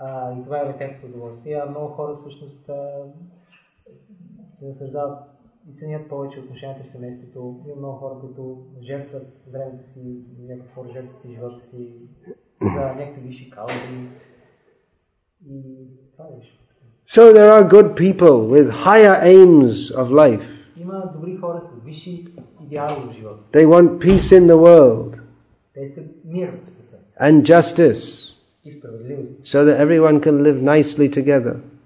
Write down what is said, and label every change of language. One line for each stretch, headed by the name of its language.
Bulgarian: И това е тяхното удоволствие. А много хора всъщност се наслаждават и ценят повече отношенията в семейството. Има много хора, които жертват времето си, някакво жертват и живота си за някакви висши каузи. И това беше.
English: So there are good people with higher aims of life.
Bulgarian: Има добри хора с висши идеали в живота.
English: They want peace in the world.
Bulgarian: Те искат мир в света.
English: And justice. So that everyone can live nicely together.